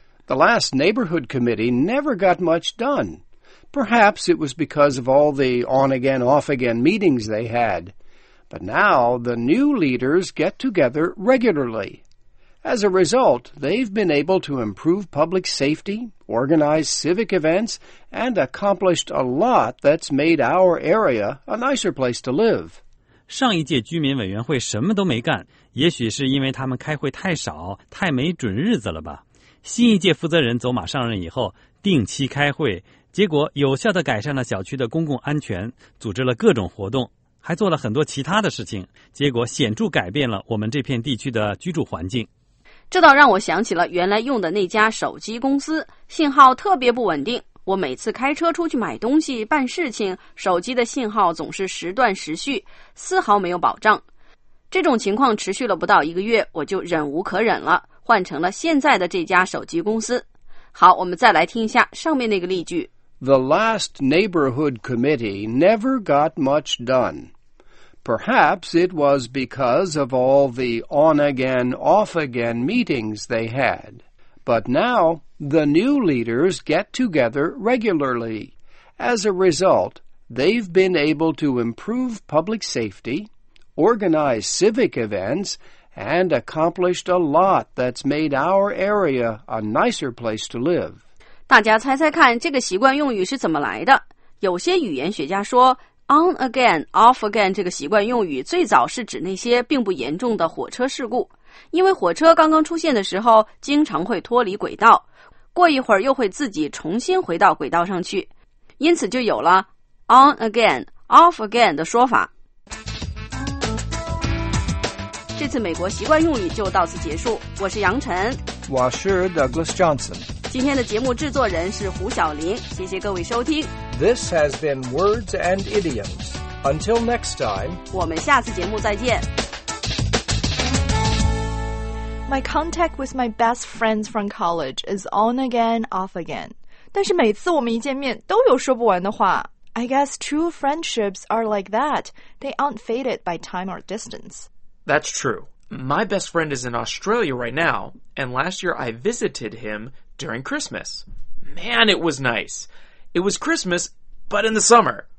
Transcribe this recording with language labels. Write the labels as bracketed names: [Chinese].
[English] The last neighborhood committee never got much done. Perhaps it was because of all the on-again, off-again meetings they had. But now the new leaders get together regularly. As a result, they've been able to improve public safety, organize civic events, and accomplished a lot that's made our area a nicer place to live. [Chinese] 上一届居民委员会什么都没干，也许是因为他们开会太少，太没准日子了吧。新一届负责人走马上任以后，定期开会，结果有效地改善了小区的公共安全，组织了各种活动，还做了很多其他的事情，结果显著改变了我们这片地区的居住环境。这倒让我想起了原来用的那家手机公司，信号特别不稳定，我每次开车出去买东西办事情，手机的信号总是时断时续，丝毫没有保障。这种情况持续了不到一个月，我就忍无可忍了，换成了现在的这家手机公司。好，我们再来听一下上面那个例句。 [English] The last neighborhood committee never got much done. Perhaps it was because of all the on-again, off-again meetings they had. But now... The new leaders get together regularly. As a result, they've been able to improve public safety, organize civic events, and accomplished a lot that's made our area a nicer place to live. [Chinese] 大家猜猜看这个习惯用语是怎么来的？有些语言学家说 [English] on again, off again [Chinese] 这个习惯用语最早是指那些并不严重的火车事故，因为火车刚刚出现的时候经常会脱离轨道。过一会儿又会自己重新回到轨道上去，因此就有了 [English] on again, off again [Chinese] 的说法。这次美国习惯用语就到此结束，我是杨晨，我是 Douglas Johnson。今天的节目制作人是胡晓林，谢谢各位收听。 [English] This has been Words and Idioms. Until next time, [Chinese] 我们下次节目再见。 [English] My contact with my best friends from college is on again, off again. [Chinese] 但是每次我们一见面都有说不完的话。 [English] I guess true friendships are like that. They aren't faded by time or distance. That's true. My best friend is in Australia right now, and last year I visited him during Christmas. Man, it was nice. It was Christmas, but in the summer.